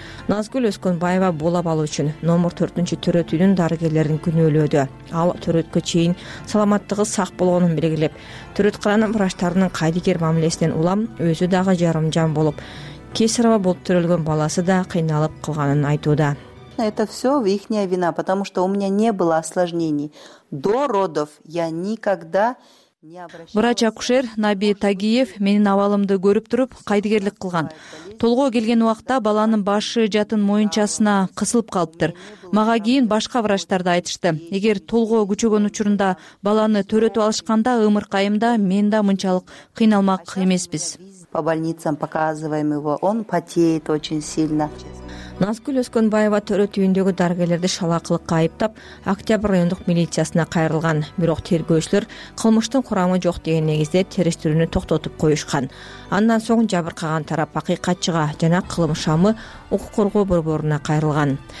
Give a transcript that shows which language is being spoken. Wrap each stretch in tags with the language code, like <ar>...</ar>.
<ky>Назгүл Өскөнбаева бул абалы үчүн номер 4-түнчү төрөт үйүнүн дарыгерлерин күнөөлөдү. Ал төрөткө чейин саламаттыгы сак болгонун белгилеп, төрөткананын врачтарынын кайдыгер мамилесинен улам өзү дагы жарымжан болуп, кесарево болуп төрөлгөн баласы да кыйналып калганын айтууда.</ky> <ru>Это все их вина, потому что у меня не было осложнений. До родов я никогда не обращалась.</ru> <ky>Врач-акушер Наби Тагиев менин абалымды көрүп туруп кайдыгерлик кылган. Толго келген убакта баланын башы жатын моюнчасына кысылып калыптыр. Мага кийин башка врачтар да айтышты. Эгер толго күчөгөн учурунда баланы төрөтүп алышканда ымыркайымда мен да мынчалык кыйналмак эмеспиз.</ky> <ru>По больницам показываем его, он потеет очень сильно.</ru> <ky>Назгүл Өскөнбаева төрөт үйүндөгү дарыгерлерди шалаакылыкка айыптап, Октябрь райондук милициясына кайрылган. Бирок тергөөчүлөр кылмыштын курамы жок деген негизде териштирүүнү токтотуп коюшкан. Андан соң жабыркаган тарап акыйкатчыга жана кылымшамы укук коргоо борборуна кайрылган.</ky>